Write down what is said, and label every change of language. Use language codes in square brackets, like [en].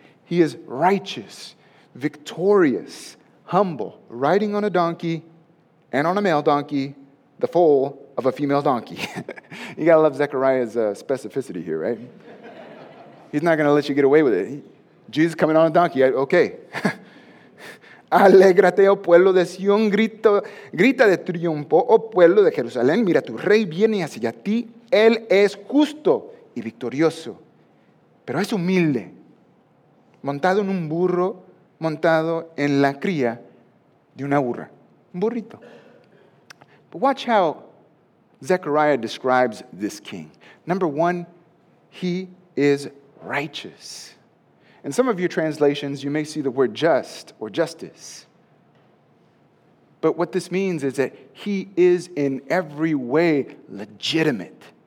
[en] He is righteous, victorious, humble, riding on a donkey and on a male donkey, the foal of a female donkey. You gotta love Zechariah's specificity here, right? He's not gonna let you get away with it. Jesus coming on a donkey, okay. [es] Alégrate, oh pueblo de Sion, grita de triunfo, oh pueblo de Jerusalén, mira, tu rey viene hacia ti, él es justo y victorioso, pero es humilde, montado en un burro, montado en la cría de una burra, un burrito. [en] But watch how Zechariah describes this king. Number one, he is righteous. In some of your translations, you may see the word just or justice. But what this means is that he is in every way legitimate.